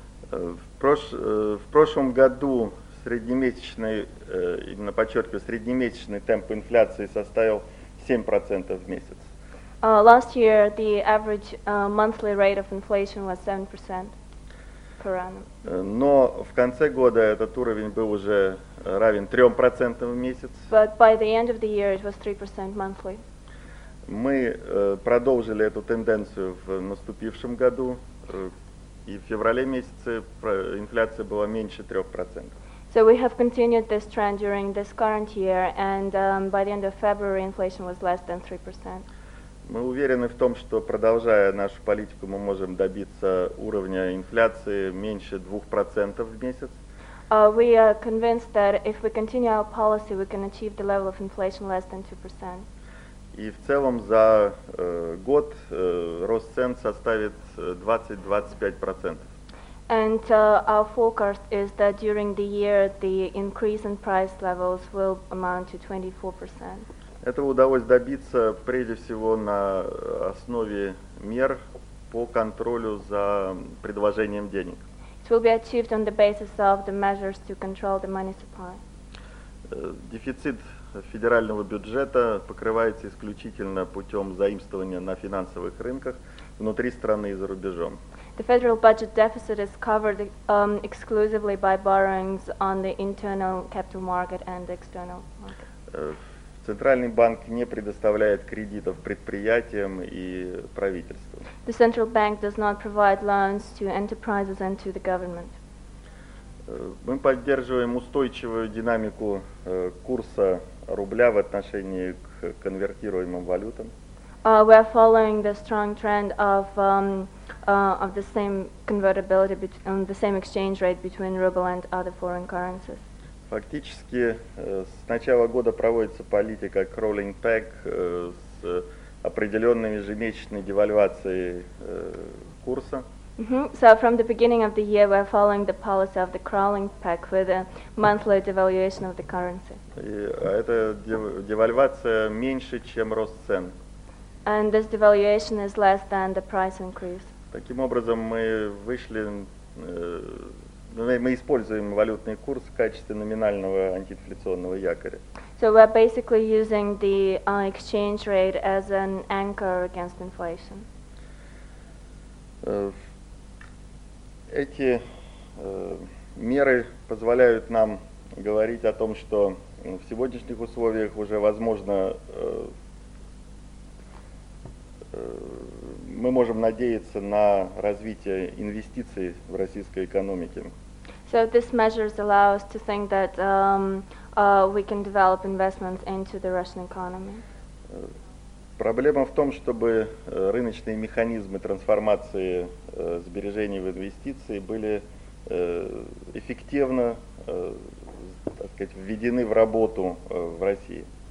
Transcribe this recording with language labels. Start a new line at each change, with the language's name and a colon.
Russian: В прошлом году среднемесячный, именно подчеркиваю, среднемесячный темп инфляции составил 7% в месяц.
English: Last year the average monthly rate of inflation was 7% per annum.
Russian: Но в конце года этот уровень был уже равен 3% в месяц.
English: But by the end of the year it was 3% monthly.
Russian: Мы продолжили эту тенденцию в наступившем году, и в феврале месяце инфляция была меньше 3%.
English: So we have continued this trend during this current year, and by the end of February inflation was less than 3%.
Russian: Мы уверены в том, что продолжая нашу политику, мы можем добиться уровня инфляции меньше 2% в месяц.
English: We are convinced that if we continue our policy, we can achieve the level of inflation less than 2%.
Russian: И в целом за год рост цен составит 20-25%.
English: And our forecast is that during the year the increase in price levels will amount to 24%.
Russian: Этого удалось добиться прежде всего на основе мер по контролю за предложением денег.
English: It will be achieved on the basis of the measures to control the money supply.
Russian: Дефицит федерального бюджета покрывается исключительно путем заимствования на финансовых рынках внутри страны и за рубежом.
English: The federal budget deficit is covered exclusively by borrowings on the internal capital market and the external market.
Russian: Центральный банк не предоставляет кредитов предприятиям и правительству.
English: The central bank does not provide loans to enterprises and to the government.
Russian: Мы поддерживаем устойчивую динамику курса рубля в отношении к конвертируемым валютам.
English: We are following the strong trend of the same convertibility between the same exchange rate between ruble and other foreign currencies.
Russian: Фактически с начала года проводится политика crawling peg с определенной ежемесячной девальвацией курса. Mm-hmm.
English: So from the beginning of the year, we are following the policy of the crawling peg with a monthly devaluation of the currency.
Russian: Эта девальвация меньше, чем рост цен.
English: And this devaluation is less than the price increase.
Russian: Таким образом, мы вышли, мы используем валютный курс в качестве номинального антиинфляционного якоря.
English: So we are basically using the exchange rate as an anchor against inflation.
Russian: Эти меры позволяют нам говорить о том, что в сегодняшних условиях уже возможно, мы можем надеяться на развитие инвестиций в российской экономике.
English: So these measures allow us to think that we can develop investments into the Russian economy.
Russian: Проблема в том, чтобы рыночные механизмы трансформации сбережений в инвестиции были эффективно, так сказать, введены в работу в России.